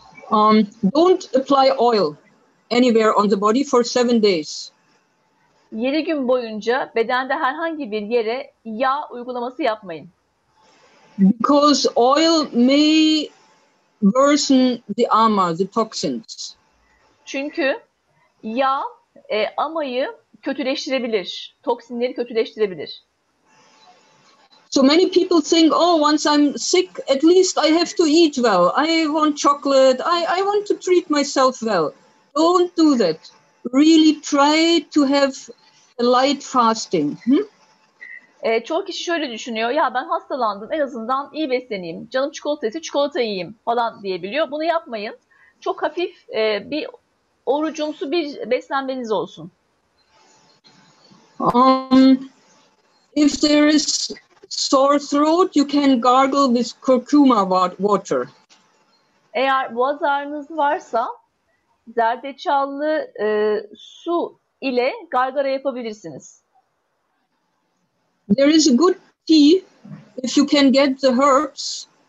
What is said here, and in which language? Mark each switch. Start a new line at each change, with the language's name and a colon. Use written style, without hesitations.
English: Don't apply oil anywhere on the body for 7 days.
Turkish: 7 gün boyunca bedende herhangi bir yere yağ uygulaması yapmayın.
English: Because oil may worsen the ama, the toxins.
Turkish: Çünkü yağ amayı kötüleştirebilir. Toksinleri kötüleştirebilir.
English: So many people think, oh, once I'm sick, at least I have to eat well. I want chocolate. I want to treat myself well. Don't do that. Really try to have a light fasting.
Turkish: Çoğu kişi şöyle düşünüyor. Ya ben hastalandım. En azından iyi besleneyim. Canım çikolata ise çikolata yiyeyim falan diyebiliyor. Bunu yapmayın. Çok hafif bir orucumsu bir beslenmeniz olsun.
English: If there is sore throat, you can gargle with curcuma water.
Turkish: Eğer boğaz ağrınız varsa zerdeçallı su ile gargara yapabilirsiniz.
English: There is a good tea if you can get the herbs.